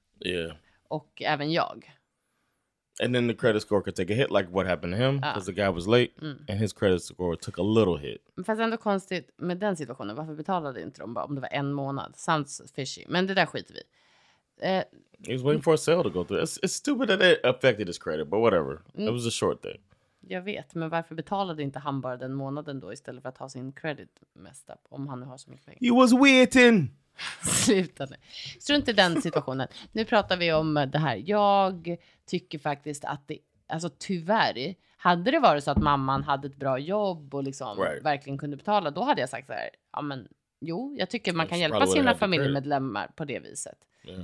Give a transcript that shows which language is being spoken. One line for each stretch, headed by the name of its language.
English: Yeah.
Swedish: Och även jag.
English: And then the credit score could take a hit, like what happened to him, because the guy was late, and his credit score took a little hit.
Swedish: Fast ändå konstigt med den situationen, varför betalade inte de bara om det var en månad?
English: Sounds fishy,
Swedish: men det där skiter vi.
English: He was waiting for a sale to go through. It's stupid that it affected his credit, but whatever. It was a short thing.
Swedish: Jag vet, men varför betalade inte han bara den månaden då istället för att ha sin credit
English: messed up,
Swedish: om han nu har så mycket pengar?
English: He was waiting!
Swedish: Sluta nu. Strunt i den situationen. Nu pratar vi om det här. Jag tycker faktiskt att det, alltså tyvärr, hade det varit så att mamman hade ett bra jobb och liksom verkligen kunde betala, då hade jag sagt så här, ja men jo, jag tycker man kan hjälpa sina familjemedlemmar på det viset.
English: Yeah.